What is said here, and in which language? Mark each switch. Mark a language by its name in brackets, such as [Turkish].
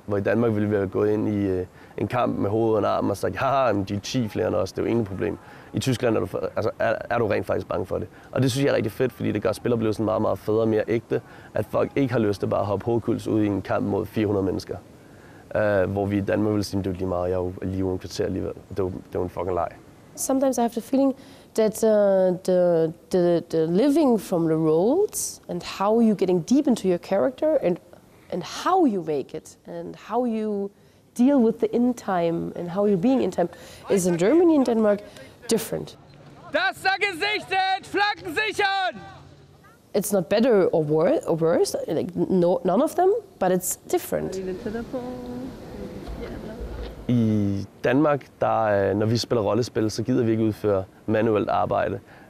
[Danish] Hvor i Danmark ville vi have gået ind i en kamp med hovedet og armen og sagt, haha, de er 10 flere end os, det er jo ingen problem. I Tyskland er du rent faktisk bange for det. Og det synes jeg er rigtig fedt, fordi det gør spiloplevelsen meget, meget federe og mere ægte, at folk ikke har lyst til bare at hoppe hovedkuls ud i en kamp mod 400 mennesker. Hvor vi i Danmark vil sige, det er lige meget, jeg er lige uden kvarter alligevel. Det er en fucking leg. [English] Sometimes I have the feeling that the living from the roles and how you getting deep into your character and how you make it and how you deal with the in time and how you're being in time is in Germany and Denmark different. [German] Das da gesichtet, Flaggen sichern! [English] It's not better or worse, like no, none of them, but it's different. [Danish] I Danmark, når vi spiller rollespil, så gider vi ikke udføre manuelt arbejde.